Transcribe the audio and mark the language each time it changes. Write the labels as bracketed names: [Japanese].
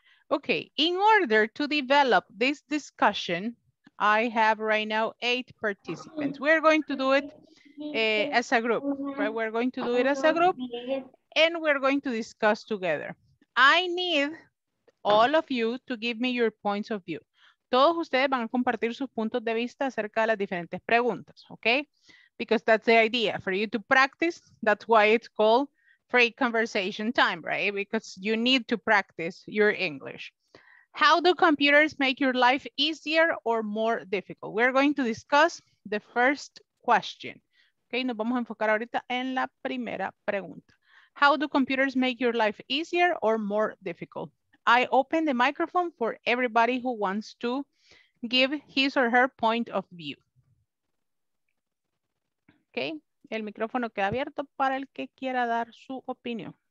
[English] Okay, in order to develop this discussion, I have right now 8 participants. We're going to do it as a group, right? We're going to do it as a group and we're going to discuss together. I need all of you to give me your points of view. [Spanish] Todos ustedes van a compartir sus puntos de vista acerca de las diferentes preguntas, okay? [English] Because that's the idea for you to practice. That's why it's called free conversation time, right? Because you need to practice your English. How do computers make your life easier or more difficult? We're going to discuss the first question. [Spanish] Okay, nos vamos a enfocar ahorita en la primera pregunta. [English] How do computers make your life easier or more difficult? I open the microphone for everybody who wants to give his or her point of view. [Spanish] Okay, el micrófono queda abierto para el que quiera dar su opinión.